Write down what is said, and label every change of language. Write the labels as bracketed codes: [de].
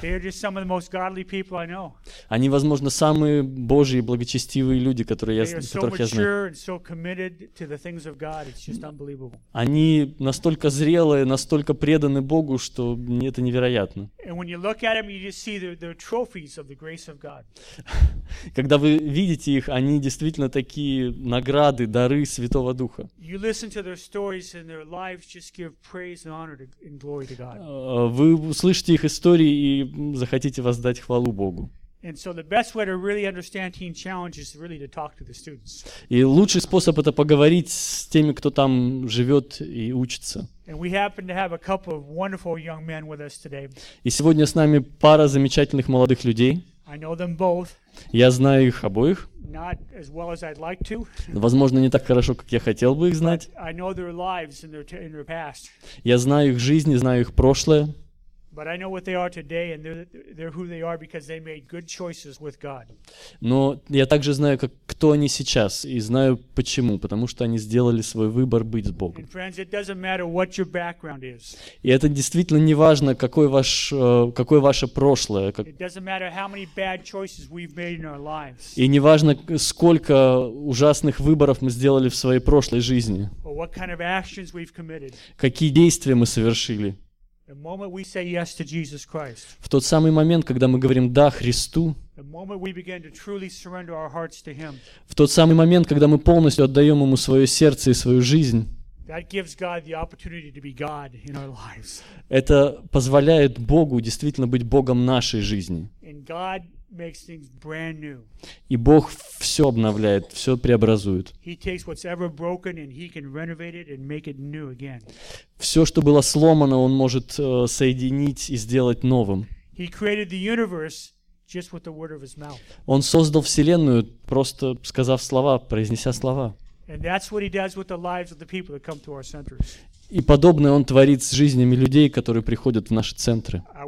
[en] They are just some of the most godly people I know. [ru] Они, возможно, самые Божьи и благочестивые люди, которые которых я знаю. [en] They are so mature and so committed to the things of God. It's just unbelievable. [ru] Они настолько зрелые, настолько преданы Богу, что мне это невероятно. [en] And when you look at them, you just see the trophies of the grace of God. [ru] Когда вы видите их, они действительно такие награды, дары Святого Духа. [en] To their stories and their lives just give praise and honor and glory to God. [ru] Вы услышите их истории и захотите воздать хвалу Богу. [en] And so the best way to really understand Teen Challenge is really to talk to the students. [ru] И лучший способ — это поговорить с теми, кто там живет и учится. [en] And we happen to have a couple of wonderful young men with us today. [ru] И сегодня с нами пара замечательных молодых людей. [en] I know them both. [ru] Я знаю их обоих. [en] Not as well as I'd like to. [ru] Возможно, не так хорошо, как я хотел бы их знать. [en] I know their lives and their past. [ru] Я знаю их жизнь, знаю их прошлое. [en] But I know what they are today, and they're who they are because they made good choices with God. [ru] Но я также знаю, кто они сейчас, и знаю почему, потому что они сделали свой выбор быть с Богом. [en] And friends, it doesn't matter what your background is. [ru] И это действительно не важно, какое ваше прошлое. [en] It doesn't matter how many bad choices we've made in our lives. [ru] И не важно, сколько ужасных выборов мы сделали в своей прошлой жизни. [en] Or what kind of actions we've committed. [ru] Какие действия мы совершили. [en] The moment we say yes to Jesus Christ. [ru] В тот самый момент, когда мы говорим «да» Христу. [en] The moment we begin to truly surrender our hearts to Him. [ru] В тот самый момент, когда мы полностью отдаем Ему свое сердце и свою жизнь. [en] That gives God the opportunity to be God in our lives. [ru] Это позволяет Богу действительно быть Богом нашей жизни. [en] And God makes things brand new. [ru] И Бог все обновляет, все преобразует. [en] He takes what's ever broken and He can renovate it and make it new again. [ru] Все, что было сломано, Он может соединить и сделать новым. [en] He created the universe just with the word of His mouth. [ru] Он создал Вселенную, просто сказав слова, произнеся слова. [en] And that's what He does with the lives of the people that come to our centers. [ru] И подобное Он творит с жизнями людей, которые приходят в наши центры.